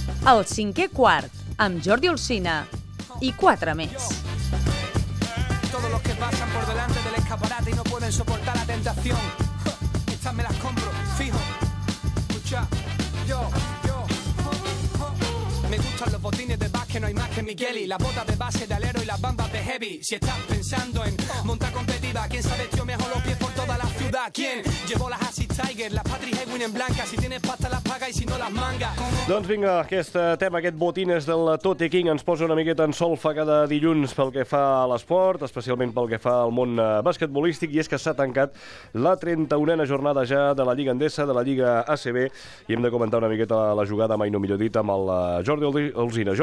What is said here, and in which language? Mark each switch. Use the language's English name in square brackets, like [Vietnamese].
[Catalan] El cinquè quart, amb Jordi Olcina i quatre més. [Spanish] Todos los que pasan por delante del escaparate y no pueden soportar la tentación. Estas me las compro, fijo. Escucha, yo, yo. Me gustan los botines de básquet, no hay más que Micheli. Las botas de base de alero y las bambas de heavy. Si estás pensando en montar competitiva, ¿quién sabe tío mejor los pies por toda la ciudad? ¿Quién llevó las Asi Tiger, las Patrick Ewing en blanca? Si tienes pasta las paga y si no las manga. [Catalan] Doncs vinga, aquest tema, aquest botines del Tote King, ens posa una miqueta en solfa cada dilluns pel que fa a l'esport, especialment pel que fa al món basquetbolístic, i és que s'ha tancat la 31a jornada ja de la Lliga Endesa, de la Lliga ACB, i hem de comentar una miqueta la jugada, mai no millor dit, amb el Jordi Olcina.